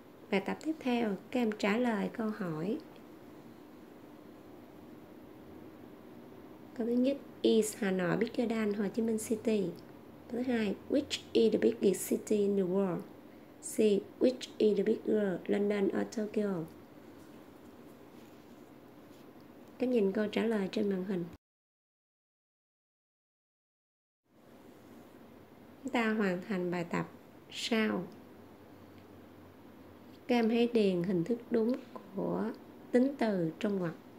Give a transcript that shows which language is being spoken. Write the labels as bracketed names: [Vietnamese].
[Vietnamese] Bài tập tiếp theo, các em trả lời câu hỏi. Câu thứ nhất, [English] is Hà Nội bigger than Hồ Chí Minh City? [Vietnamese] Câu thứ hai, [English] which is the biggest city in the world? C, which is the bigger, London or Tokyo? [Vietnamese] Cách nhìn câu trả lời trên màn hình. Chúng ta hoàn thành bài tập sau. Các em hãy điền hình thức đúng của tính từ trong ngoặc.